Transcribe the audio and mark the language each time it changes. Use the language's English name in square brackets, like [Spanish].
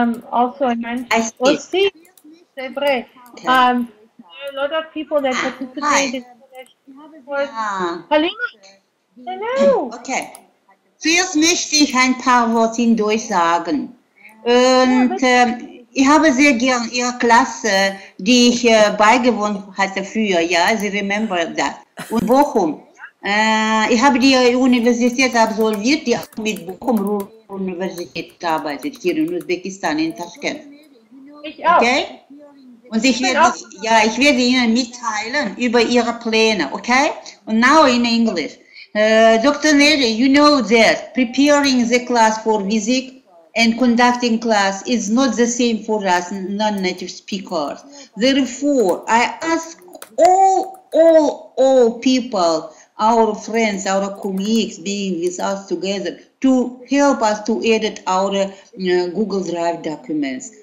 [English] Also, I mentioned there are a lot of people that participate in the Halima, hello. Okay. [German] Zuerst möchte ich ein paar Worte in Deutsch sagen. Und ich habe sehr gern Ihre Klasse, die ich beigewohnt hatte früher. Ja, Sie [English] remember that. [German] Und Bochum. Ich habe die Universität absolviert, die auch mit Bochum Universität gearbeitet, hier in Usbekistan, in Taschkent. Ich auch. Okay? Und ich werde Ihnen mitteilen über Ihre Pläne, okay? Und [English] now in English. Dr. Neri, you know that preparing the class for music and conducting class is not the same for us non-native speakers. Therefore, I ask all people, our friends, our colleagues being with us together to help us to edit our Google Drive documents.